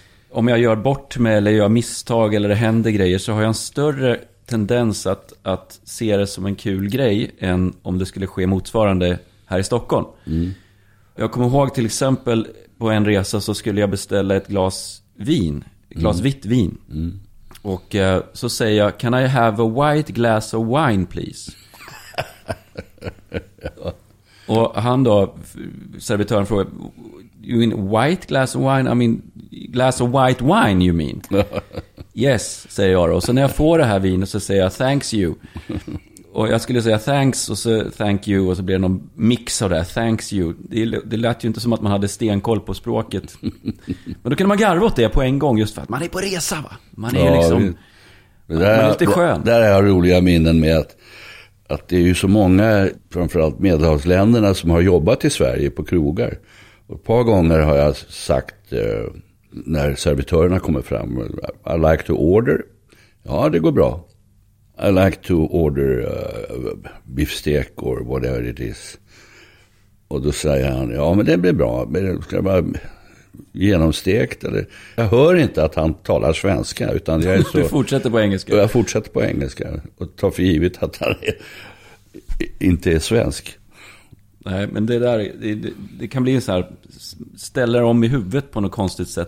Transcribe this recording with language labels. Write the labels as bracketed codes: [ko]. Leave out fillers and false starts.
[sv] Om jag gör bort mig eller gör misstag eller det händer grejer, så har jag en större tendens att se det som en kul grej än om det skulle ske motsvarande här i Stockholm. Mm. Jag kommer ihåg till exempel på en resa så skulle jag beställa ett glas vin, ett glas vitt vin. Mm. Och så säger jag, [en] can I have a white glass of wine please? [sv] Och han då, servitören, frågar, [en] you mean white glass of wine? I mean glass of white wine, you mean? Yes, [sv] säger jag då. Och så när jag får det här vinet så säger jag, [en] thanks you. [sv] Och jag skulle säga thanks och så thank you, och så blir det någon mix av det här, thanks you. Det lät ju inte som att man hade stenkoll på språket. Men då kunde man garva åt det på en gång, just för att man är på resa, va? Man är lite skön. Där har jag roliga minnen med att det är ju så många, framförallt medelhavsländerna, som har jobbat i Sverige på krogar. Och ett par gånger har jag sagt, när servitörerna kommer fram, [en] I like to order. [sv] Ja, det går bra. [en] I like to order beefsteak or whatever it is. [sv] Och då säger han, ja men det blir bra, men ska det vara genomstekt eller? Jag hör inte att han talar svenska, utan jag är så... Du fortsätter på engelska. Och jag fortsätter på engelska och tar för givet att han är, inte är svensk. Nej, men det där, det kan bli så här, ställer om i huvudet på något konstigt sätt.